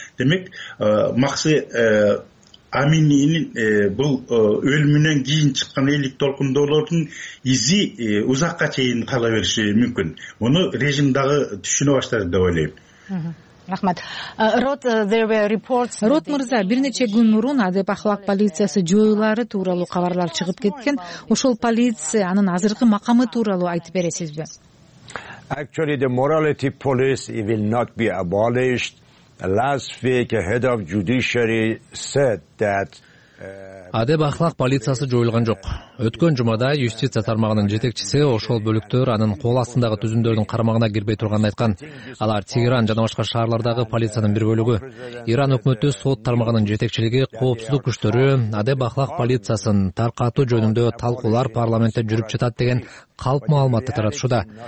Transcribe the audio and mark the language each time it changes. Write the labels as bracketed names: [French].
[Kyrgyz] Демек Максы Амининин бул өлүмүнөн кийин чыккан элдик толкундоолордун изи узакка чейин кала бериши мүмкүн. Муну режим дагы түшүнө баштады деп ойлойм. Рахмат. Рот мырза, бир нече күн мурун адеп ахлак полициясы жоюлары тууралуу кабарлар чыгып кеткен. Ошол полиция анын азыркы макамы тууралуу айтып бересизби? [English] Actually, the morality police will not be abolished. Last week, head of judiciary said that [Kyrgyz] адеп ахлак полициясы жоюлган жок. Өткөн жумада юстиция тармагынын жетекчиси ошол бөлүктөр анын кол астындагы түзүмдөрдүн кармагына кирбей турганын айткан. Алар Тегеран жана башка шаарлардагы полициянын бир бөлүгү. Иран өкмөтү сот тармагынын жетекчилиги, коопсуздук күчтөрү адеп ахлак полициясын таркатуу жөнүндө талкуулар парламентте жүрүп жатат деген калп маалыматты таратышууда.